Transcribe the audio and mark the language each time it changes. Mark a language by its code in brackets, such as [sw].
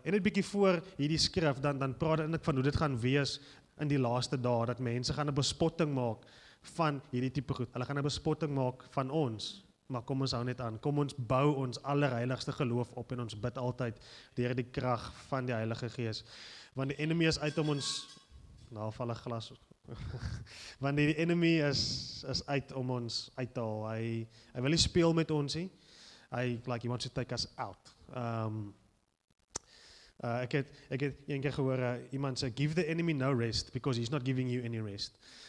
[af] En net bietjie voor hierdie skrif, dan praat ek van hoe dit gaan wees in die laaste dae, dat mense gaan 'n bespotting maak van hierdie tipe goed. Hulle gaan 'n bespotting maak van ons. Maar kom ons hou net aan. Kom ons bou ons allerheiligste geloof op en ons bid altyd deur die krag van die Heilige Gees. Want die enemy is uit om ons naafalle glas... Want die enemy is uit om ons uit te haal. Hy wil nie speel met ons nie. [en] Hy, like, he wants to take us out. [af] Ek het een keer gehoor, iemand sê, [en] give the enemy no rest, because he's not giving you any rest.